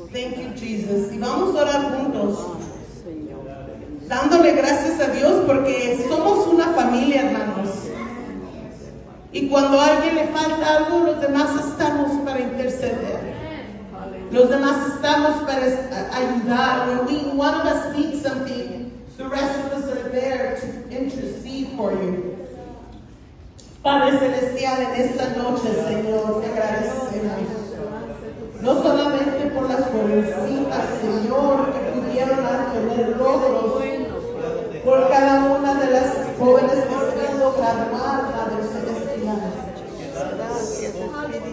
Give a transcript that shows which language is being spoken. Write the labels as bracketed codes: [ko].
[en] Thank you, Jesus. [es] Y vamos a orar juntos, dándole gracias a Dios porque somos una familia, hermanos. Y cuando a alguien le falta algo, los demás estamos para interceder. Los demás estamos para ayudar. [en] When one of us needs something, the rest of us are there to intercede for you. [es] Padre Celestial, en esta noche, Señor, te agradecemos. No solamente por las jovencitas, Señor, que pudieron. dieron a tener logros por cada una de las jóvenes que se han logrado armar a los celestiales.